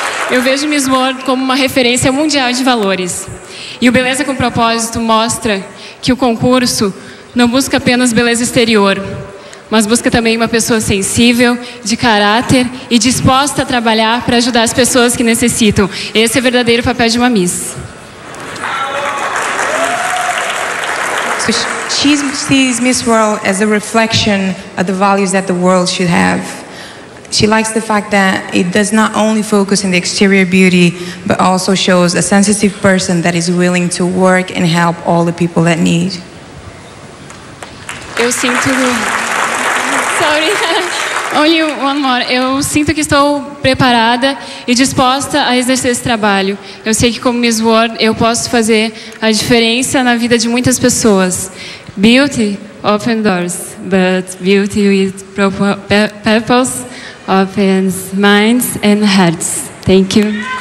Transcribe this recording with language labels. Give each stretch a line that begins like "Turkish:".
Portuguese: Eu vejo Miss World como uma referência mundial de valores. E o Beleza com Propósito mostra que o concurso não busca apenas beleza exterior, mas busca também uma pessoa sensível, de caráter e disposta a trabalhar para ajudar as pessoas que necessitam. Esse é o verdadeiro papel de uma Miss.
English: So she sees Miss World as a reflection of the values that the world should have. She likes the fact that it does not only focus on the exterior beauty, but also shows a sensitive person that is willing to work and help all the people that need.
Portuguese: Eu sinto...
English: Sorry. Only one more.
Portuguese: Eu sinto que estou preparada e disposta a exercer esse trabalho. Eu sei que como Miss World eu posso fazer a diferença na vida de muitas pessoas.
English: Beauty opens doors, but beauty with purpose opens minds and hearts. Thank you.